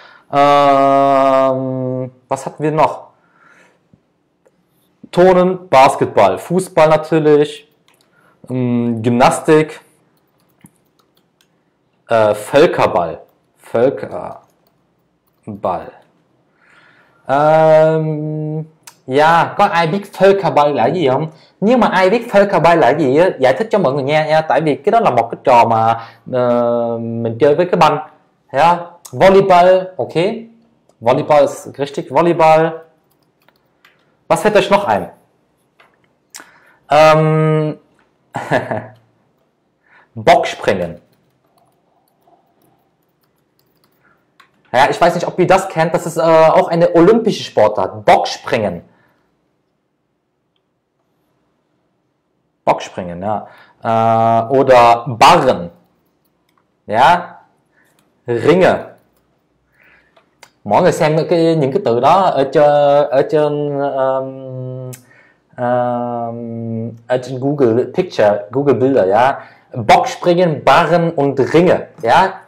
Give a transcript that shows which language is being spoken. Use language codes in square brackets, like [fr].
[de] Was hatten wir noch? Turnen, Basketball, Fußball natürlich, Gymnastik, Völkerball. Völkerball. [vi] Ja, có ai biết Völkerball là gì không? Nhưng mà ai biết Völkerball là gì á, giải thích cho mọi người nghe nha. Tại vì cái đó là một cái trò mà mình chơi với cái banh. [de] Volleyball, okay. Volleyball ist richtig, Volleyball. Was hätte ich noch ein? Bockspringen. Ja, ich weiß nicht, ob ihr das kennt. Das ist auch eine olympische Sportart. Bockspringen. Bockspringen, ja. Oder Barren. Ja. Ringe. [vi] Mọi người xem những cái từ đó ở trên Google Picture, Google Bilder, ja. [de] Bockspringen, Barren und Ringe, ja.